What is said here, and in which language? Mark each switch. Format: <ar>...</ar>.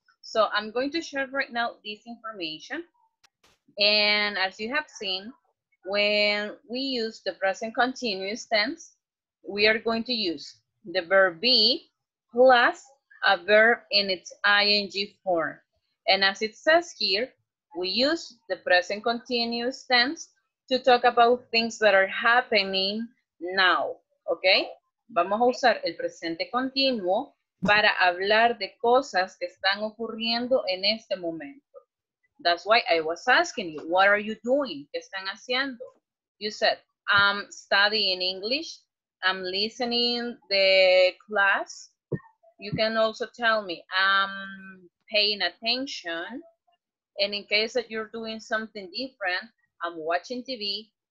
<en>So I'm going to share right now this information. And as you have seen, when we use the present continuous tense, we are going to use the verb be plus a verb in its ing form. And as it says here, we use the present continuous tense to talk about things that are happening now, okay?</en> <es>Vamos a usar el presente continuo para hablar de cosas que están ocurriendo en este momento.</es> <en>That's why I was asking you, what are you doing?</en> <es>¿Qué están haciendo?</es> <en>You said, I'm studying English. I'm listening the class. You can also tell me, I'm paying attention. And in case that you're doing something different, I'm watching TV.</en>